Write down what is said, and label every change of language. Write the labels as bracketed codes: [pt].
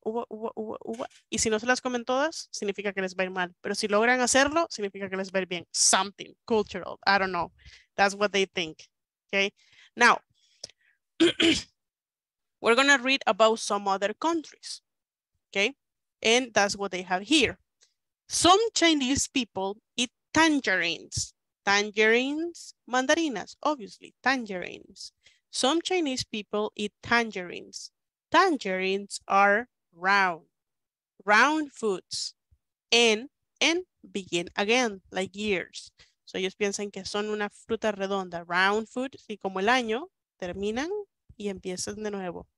[es] Y si no se las comen todas, significa que les va a ir mal. Pero si logran hacerlo, significa que les va a ir bien. [en] Something cultural. I don't know. That's what they think. Okay. Now, we're going to read about some other countries. Okay. And that's what they have here. Some Chinese people eat tangerines. Tangerines, mandarinas, obviously. Tangerines. Some Chinese people eat tangerines. Tangerines are round foods, and begin again, like years. [es] So ellos piensan que son una fruta redonda, [en] round foods, [es] y como el año, terminan y empiezan de nuevo.